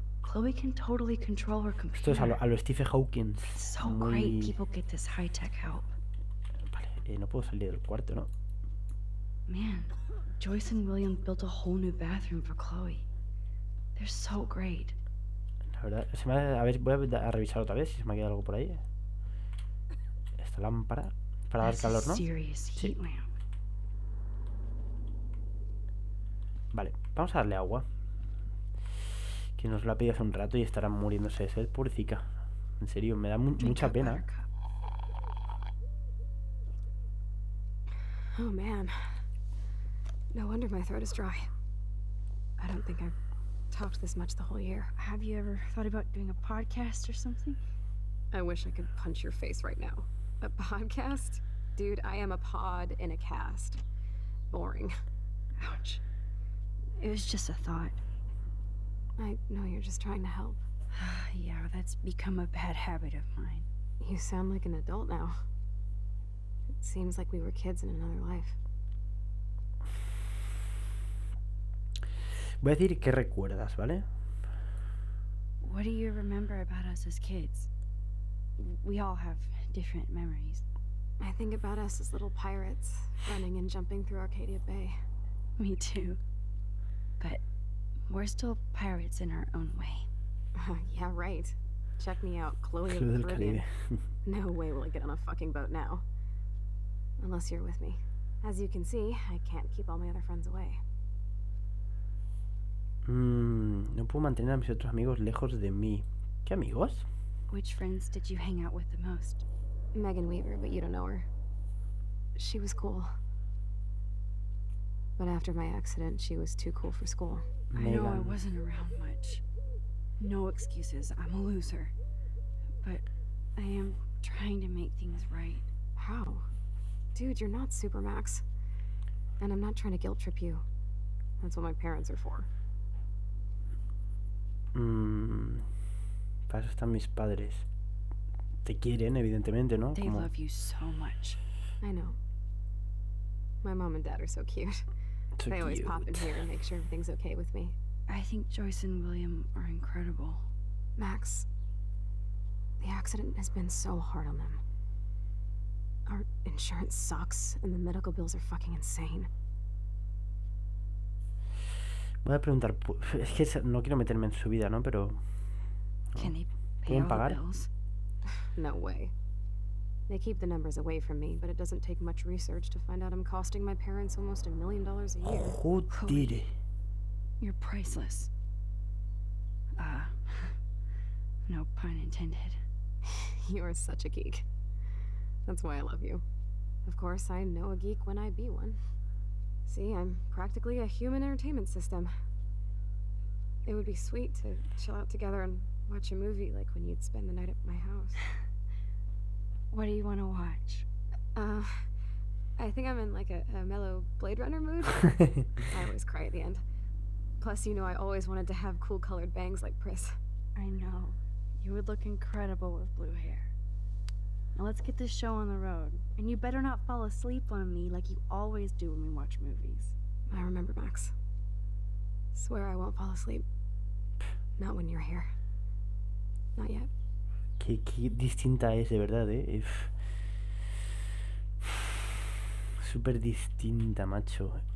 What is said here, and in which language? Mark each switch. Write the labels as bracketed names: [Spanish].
[English] Chloe can totally control her computer. [Spanish] Esto es a lo Stephen Hawking. [English] It's so great people get this high-tech help. [Spanish] Vale, no puedo salir del cuarto, ¿no? [English] Man, Joyce and William built a whole new bathroom for Chloe. They're so great. [Spanish] La verdad, voy a revisar otra vez si se me ha quedado algo por ahí. Esta lámpara para [English] That's [Spanish] dar calor, ¿no? [English] A serious [Spanish] sí. [English] Heat lamp. [Spanish] Vale, vamos a darle agua. Que nos lo ha pedido hace un rato y estará muriéndose de sed, pobrecita. En serio, me da mucha pena. [English] Oh man. No wonder my throat is dry. I don't think I've talked this much the whole year. Have you ever thought about doing a podcast or something? I wish I could punch your face right now. A podcast? Dude, I am a pod in a cast. Boring. Ouch. It was just a thought. I know you're just trying to help. Yeah, that's become a bad habit of mine. You sound like an adult now. It seems like we were kids in another life. [Spanish] Voy a decir qué recuerdas, ¿vale? [English] What do you remember about us as kids? We all have different memories. I think about us as little pirates running and jumping through Arcadia Bay. Me too. But we're still pirates in our own way. Yeah, right. Check me out, Chloe of the Caribbean. No way will I get on a fucking boat now. Unless you're with me. As you can see, I can't keep all my other friends away. [Spanish] No puedo mantener a mis otros amigos lejos de mí. ¿Qué amigos? [English] Which friends did you hang out with the most? Megan Weaver, but you don't know her. She was cool. But after my accident, she was too cool for school. Megan. I know I wasn't around much. No excuses, I'm a loser. But I am trying to make things right. How? Dude, you're not Supermax. And I'm not trying to guilt trip you. That's what my parents are for. [Spanish] Para eso están mis padres. Te quieren, evidentemente, ¿no? [English] They love you so much. I know. My mom and dad are so cute. They always pop in here and make sure everything's okay with me. I think Joyce and William are incredible. Max, the accident has been so hard on them. Our insurance sucks and the medical bills are fucking insane. [Spanish] Voy a preguntar, es que no quiero meterme en su vida, ¿no? Pero ¿pueden pagar? [English] No way. They keep the numbers away from me, but it doesn't take much research to find out I'm costing my parents almost $1 million a year. [Spanish] Joder. [English] You're priceless. No pun intended. You are such a geek. That's why I love you. Of course, I know a geek when I be one. See, I'm practically a human entertainment system. It would be sweet to chill out together and watch a movie like when you'd spend the night at my house. What do you want to watch? I think I'm in like a mellow Blade Runner mood. I always cry at the end. Plus, you know, I always wanted to have cool colored bangs like Pris. I know. You would look incredible with blue hair. Now let's get this show on the road. And you better not fall asleep on me like you always do when we watch movies. I remember, Max. Swear I won't fall asleep. Not when you're here. Not yet. [Spanish] Qué distinta es, de verdad, ¿eh? Es súper distinta, macho.